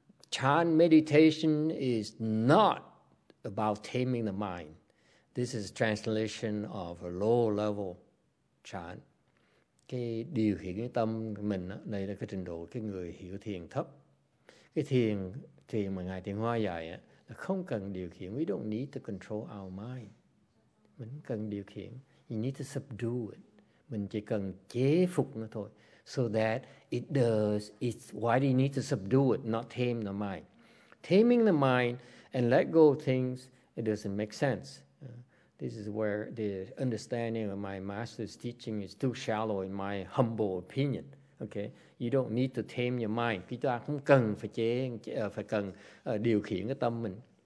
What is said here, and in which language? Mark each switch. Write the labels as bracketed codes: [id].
[en] Chan meditation is not about taming the mind. This is a translation of a low level chan. [vi] Cái điều khiển cái tâm của mình đó, đây là cái trình độ cái người hiểu thiền thấp. Cái thiền mà Ngài Tiền Hoa dạy á, là không cần điều khiển. [en] We don't need to control our mind. [vi] Mình cần điều khiển. [en] You need to subdue it. [vi] Mình chỉ cần chế phục nó thôi. [en] So that it does, it's why do you need to subdue it, not tame the mind. Taming the mind and let go of things, it doesn't make sense. This is where the understanding of my master's teaching is too shallow in my humble opinion. Okay, you don't need to tame your mind. [vi] Chúng ta không cần điều khiển cái tâm mình.